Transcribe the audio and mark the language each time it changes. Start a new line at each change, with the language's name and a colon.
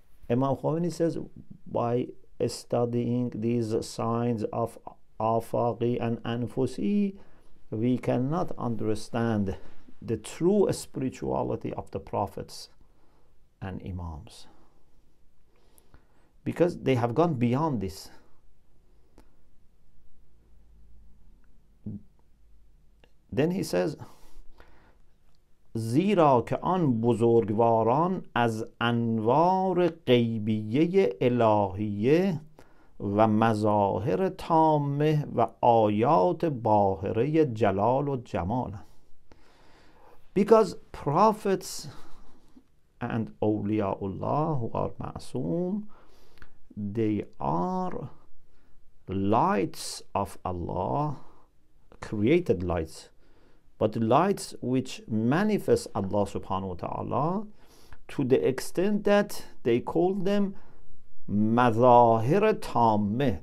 English: Imam Khomeini says, by studying these signs of afaqi and anfusi, we cannot understand the true spirituality of the prophets and imams, because they have gone beyond this. Then he says,
Persian: زیرا که آن بزرگواران از انوار غیبیه الهیه و مظاهر تامه و آیات باهره جلال و جمال.
English: Because prophets and awliyaullah who are ma'soom, they are lights of Allah, created lights, but lights which manifest Allah subhanahu wa ta'ala to the extent that they call them madhahir tammeh.